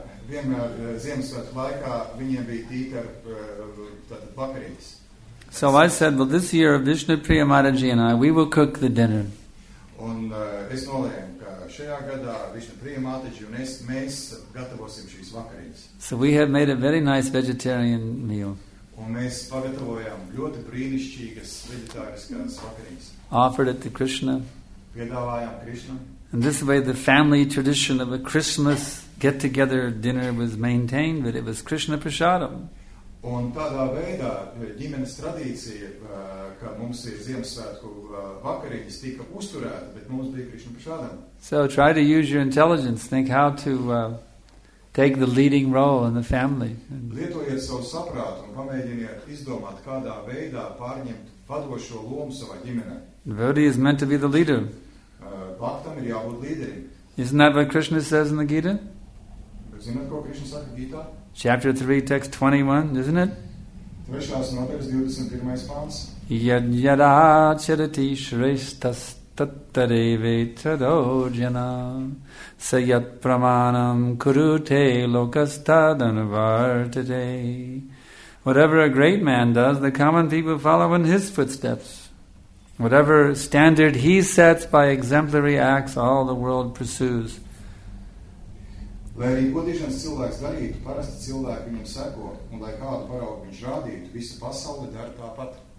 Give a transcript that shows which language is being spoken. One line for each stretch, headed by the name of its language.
Latvian: Vienmēr Ziemassvētku laikā viņiem bija tītar tātad vakariņas.
English: So I said, well, this year Vishnu Priya Mataji and I, we will cook the dinner.
Latvian: Un es nolēmu, ka šajā gadā Vishnu Priya Mataji un es, mēs gatavosim šīs vakariņas.
English: So we have made a very nice vegetarian meal.
Latvian: Un mēs pagatavojām ļoti brīnišķīgas vegetāriskās vakariņas.
English: Offered it to Krishna.
Latvian: Piedāvājām Krishna.
English: And this way the family tradition of a Christmas get-together dinner was maintained, but it was Krishna Prasadam.
Latvian: Un tādā veidā ģimenes tradīcija, ka mums ir Ziemassvētku vakariņas tika uzturēta, bet mums bija Krishna Prasadam.
English: So try to use your intelligence. Think how to take the leading role in the family.
Latvian: Lietojiet savu saprātu un pamēģiniet izdomāt, kādā veidā pārņemt vadošo lomu savā ģimenē.
English: Devotee is meant to be the leader.
Latvian: Bhaktam ir jābūt līderim.
English: Isn't that what Krishna says in the Gita?
Latvian: Zināt, ko Krishna saka Gita?
English: Chapter 3, text 21, isn't it?
Latvian: Trešās notekas, 21. pāns.
Sanskrit: Yad yadā charati shrestas tattare vetrado jana sayat pramānam kurute lokastadanvartate.
English: Whatever a great man does, the common people follow in his footsteps. Whatever standard he sets by exemplary acts, all the world pursues.
Latvian: Lai arī godīšanas cilvēks darītu, parasti cilvēki viņam seko, un lai kādu paraugu viņš rādītu, visa pasaule dar tāpat.